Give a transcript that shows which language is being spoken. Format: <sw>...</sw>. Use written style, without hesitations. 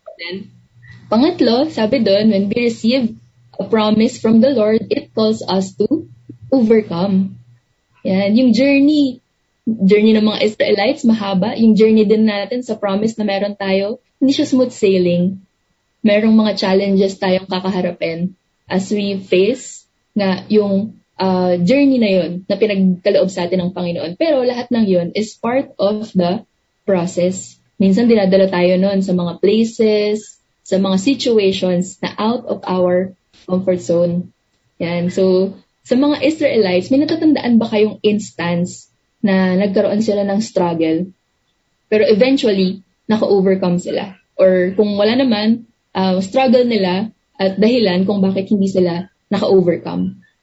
<en>Then,</en> <tl>pangatlo, sabi doon,</tl> <en>when we receive a promise from the Lord, it calls us to overcome.</en> <tl>Yan. Yung journey ng mga Israelites, mahaba. Yung journey din natin sa promise na meron tayo, hindi siya</tl> <en>smooth sailing.</en> <tl>Merong mga challenges tayong kakaharapin</tl> <en>as we face</en> <tl>na yung journey na yun na pinagkaloob sa atin ng Panginoon. Pero lahat ng yun</tl> <en>is part of the process.</en> <tl>Minsan dinadala tayo nun sa mga places, sa mga situations na</tl> <en>out of our comfort zone.</en> <tl>Yan. So, sa mga Israelites, may natatandaan ba kayong instance na nagkaroon sila ng struggle? Pero eventually, naka-overcome sila. Or kung wala naman, struggle nila at dahilan kung bakit hindi sila naka-overcome.</tl>